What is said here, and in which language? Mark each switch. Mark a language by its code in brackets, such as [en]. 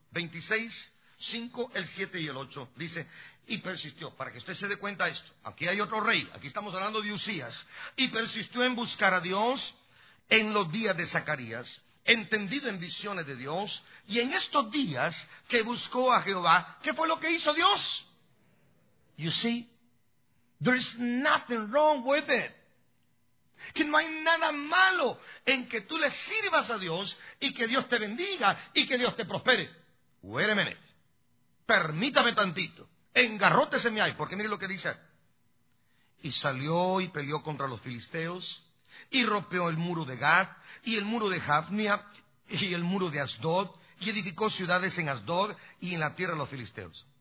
[es] 26, 5, el 7 y el 8, dice, y persistió, para que usted se dé cuenta de esto, aquí hay otro rey, aquí estamos hablando de Usías, y persistió en buscar a Dios en los días de Zacarías, entendido en visiones de Dios, y en estos días que buscó a Jehová, ¿qué fue lo que hizo Dios? [en] You see, there is nothing wrong with it. [es] Que no hay nada malo en que tú le sirvas a Dios y que Dios te bendiga y que Dios te prospere. [en] Wait a minute. [es] Permítame tantito, engarrótese mi ay, porque mire lo que dice. Y salió y peleó contra los filisteos, y rompió el muro de Gad, y el muro de Jafnia, y el muro de Asdod, y edificó ciudades en Asdod y en la tierra de los filisteos.